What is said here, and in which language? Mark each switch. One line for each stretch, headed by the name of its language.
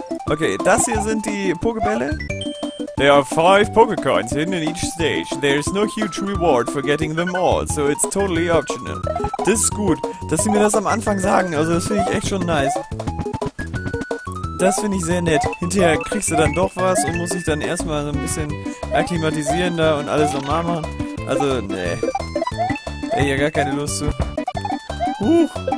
German: Okay, das hier sind die Pokebälle.
English: There are 5 Pokecoins hidden in each stage. There is no huge reward for getting them all, so it's totally optional.
German: Das ist gut, dass sie mir das am Anfang sagen. Also das finde ich echt schon nice. Das finde ich sehr nett. Hinterher kriegst du dann doch was und musst dich dann erstmal so ein bisschen akklimatisieren da und alles normal machen. Also, nee. Ey, ja, gar keine Lust zu. Huch.